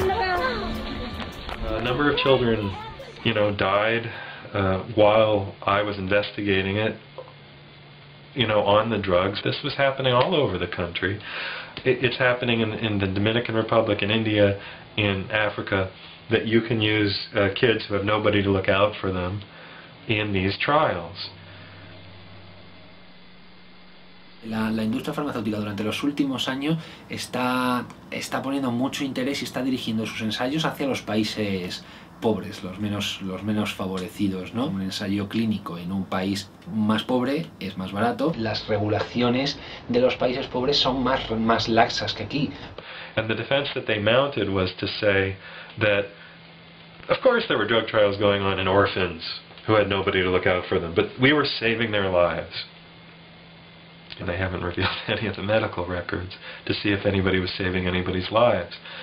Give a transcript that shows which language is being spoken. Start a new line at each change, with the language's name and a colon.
English: A number of children, you know, died while I was investigating it, you know, on the drugs. This was happening all over the country. It's happening in the Dominican Republic, in India, in Africa, that you can use kids who have nobody to look out for them in these trials.
Spanish: La industria farmacéutica durante los últimos años está poniendo mucho interés y está dirigiendo sus ensayos hacia los países pobres, los menos favorecidos, ¿no? Un ensayo clínico en un país más pobre es más barato. Las regulaciones de los países pobres son más laxas que aquí.
English: And the defense that they mounted was to say that of course there were drug trials going on in orphans who had nobody to look out for them, but we were saving their lives. And they haven't revealed any of the medical records to see if anybody was saving anybody's lives.